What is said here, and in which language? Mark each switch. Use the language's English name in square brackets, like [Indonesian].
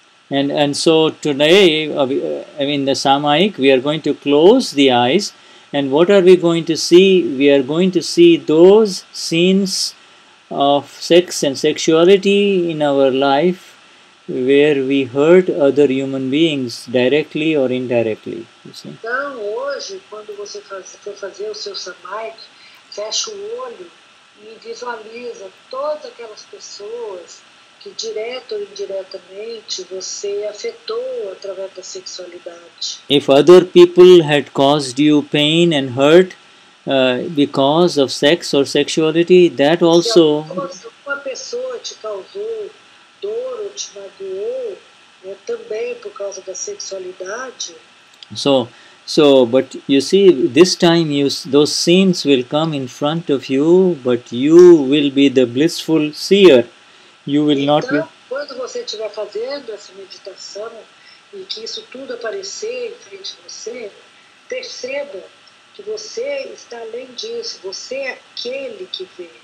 [English] And so today, in the Samayik, we are going to close the eyes. And what are we going to see? We are going to see those scenes of sex and sexuality in our life where we hurt other human beings directly or indirectly. You see? [Portuguese] Então, hoje, quando você for fazer o seu Samayik, fecha o olho e visualiza todas aquelas pessoas que, direto ou indiretamente, você afetou através da sexualidade. [English] If other people had caused you pain and hurt because of sex or sexuality, that also... [Portuguese] Se uma pessoa te causou dor ou te magoou, também por causa da sexualidade... [English] So, but you see, this time those scenes will come in front of you, but you will be the blissful seer. you will [Portuguese] então, [English] not be... [Portuguese] quando você estiver fazendo essa meditação e que isso tudo aparecer em frente de você, perceba que você está além disso, você é aquele que vê.